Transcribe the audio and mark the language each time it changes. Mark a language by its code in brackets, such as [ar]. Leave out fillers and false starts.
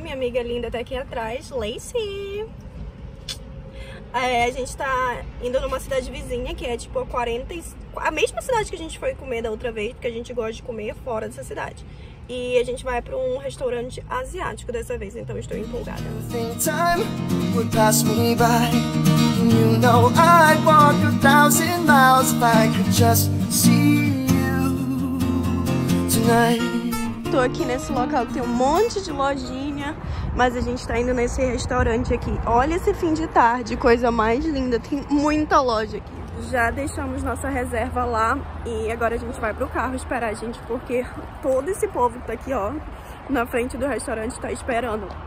[pt] Minha amiga linda tá aqui atrás, Lacey. É, a gente tá indo numa cidade vizinha, que é tipo a 40... A mesma cidade que a gente foi comer da outra vez, porque a gente gosta de comer fora dessa cidade. E a gente vai pra um restaurante asiático dessa vez, então estou empolgada. [en] Time would pass me by. you know I'd walk 1,000 miles if I could just see you tonight. [pt] Tô aqui nesse local que tem um monte de lojinha, mas a gente tá indo nesse restaurante aqui. Olha esse fim de tarde, coisa mais linda. Tem muita loja aqui. Já deixamos nossa reserva lá e agora a gente vai pro carro esperar a gente, porque todo esse povo que tá aqui, ó, na frente do restaurante tá esperando.